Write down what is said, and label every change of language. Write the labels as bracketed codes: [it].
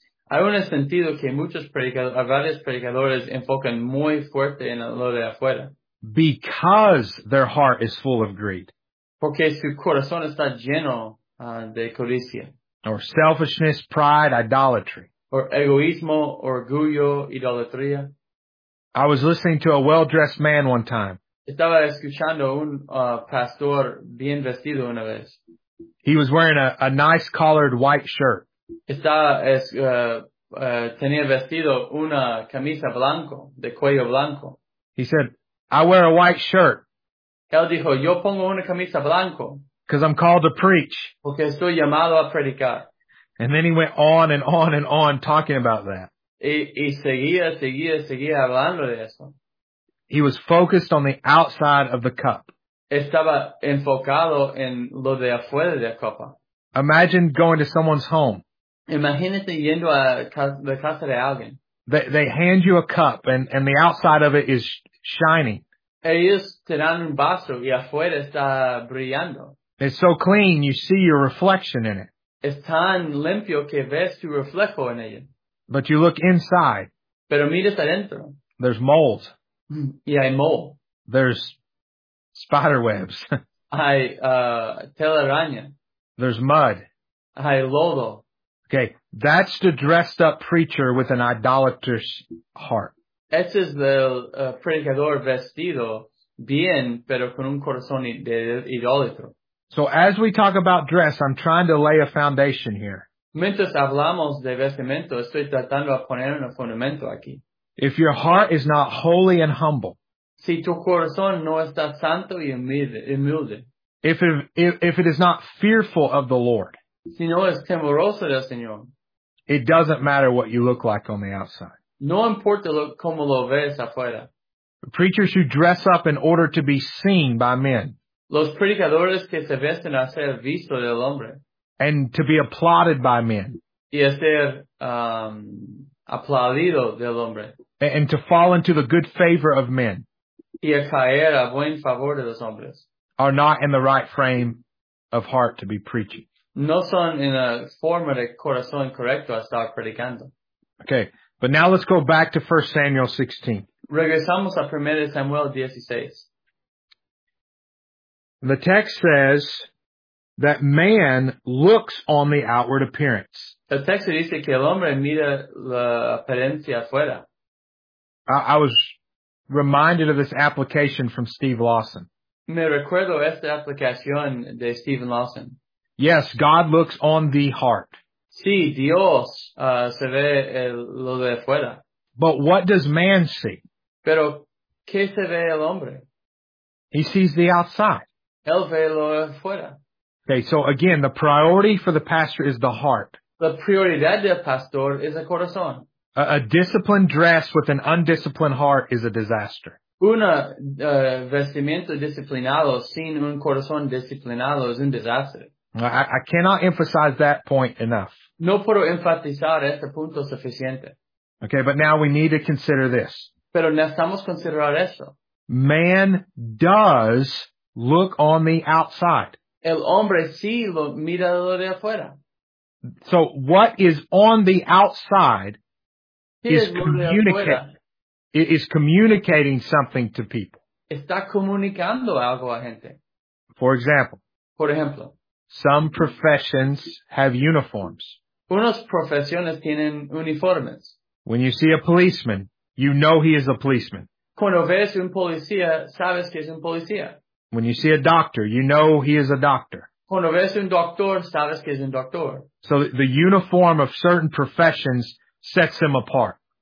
[es] Hay un sentido que muchos predicadores, varios predicadores enfocan muy fuerte en lo de afuera. [en] Because their heart is full of greed. [es] Porque su corazón está lleno de codicia. [en] Or selfishness, pride, idolatry. Or [es] egoísmo, orgullo, idolatría. [en] I was listening to a well-dressed man one time. [es] Estaba escuchando un pastor bien vestido una vez. [en] He was wearing a nice collared white shirt. [es] Tenía vestido una camisa blanco, de cuello blanco. [en] He said, I wear a white shirt. [es] Él dijo, yo pongo una camisa blanco. [en] Because I'm called to preach. [es] Porque estoy llamado a predicar. [en] And then he went on and on and on talking about that. [es] Y seguía hablando de eso. [en] He was focused on the outside of the cup. [es] Estaba enfocado en lo de afuera de la copa. [en] Imagine going to someone's home. [es] Imagínate yendo a la casa de alguien. [en] They hand you a cup and the outside of it is shiny. [es] Ellos te dan un vaso y afuera está brillando. [en] It's so clean, you see your reflection in it. [es] Es tan limpio que ves tu reflejo en ello. [en] But you look inside. [es] Pero miras adentro. [en] There's mold. [es] Y hay [en] mold. There's spider webs. [es] Hay telaraña. [en] There's mud. [es] Hay lodo. [en] Okay, that's the dressed up preacher with an idolatrous heart. [es] Ese es el predicador vestido bien, pero con un corazón de idólatro. [en] So as we talk about dress, I'm trying to lay a foundation here. [es] Mientras hablamos de vestimento, estoy tratando de poner un fundamento aquí. [en] If your heart is not holy and humble. [es] Si tu corazón no está santo y humilde. [en] If it is not fearful of the Lord. [es] Si no es temeroso del Señor. [en] It doesn't matter what you look like on the outside. [es] No importa cómo lo ves afuera. [en] Preachers who dress up in order to be seen by men. [es] Los predicadores que se visten a ser visto del hombre. [en] And to be applauded by men. [es] Y a ser aplaudido del hombre. [en] And to fall into the good favor of men. [es] Y a caer a buen favor de los hombres. [en] Are not in the right frame of heart to be preaching. [es] No son en la forma de corazón correcto a estar predicando. [en] Okay, but now let's go back to 1 Samuel 16. [es] Regresamos a 1 Samuel 16. [en] The text says that man looks on the outward appearance. [es] El texto dice que el hombre mira la apariencia afuera. [en] I was reminded of this application from Steve Lawson. [es] Me recuerdo esta aplicación de Steven Lawson. [en] Yes, God looks on the heart. [es] Sí, Dios se ve lo de afuera. [en] But what does man see? [es] Pero, ¿qué se ve el hombre? [en] He sees the outside. [es] Él ve lo de afuera. [en] Okay, so again, the priority for the pastor is the heart. [es] La prioridad del pastor es el corazón. [en] A disciplined dress with an undisciplined heart is a disaster. [es] Una vestimenta disciplinado sin un corazón disciplinado es un desastre. [en] I cannot emphasize that point enough. [es] No puedo enfatizar este punto suficiente. [en] Okay, but now we need to consider this. [es] Pero necesitamos considerar eso. [en] Man does look on the outside. [es] El hombre sí lo mira lo de afuera. [en] So what is on the outside is communicating. It is communicating something to people. [es] Está comunicando algo a gente. [en] For example. [es] Por ejemplo. [en] Some professions have uniforms. [es] Unas profesiones tienen uniformes. [en] When you see a policeman, you know he is a policeman. [es] Cuando ves un policía, sabes que es un policía. [en] When you see a doctor, you know he is a doctor. [es] Cuando ves un doctor, sabes que es un doctor. [en] So the uniform of certain professions sets him apart.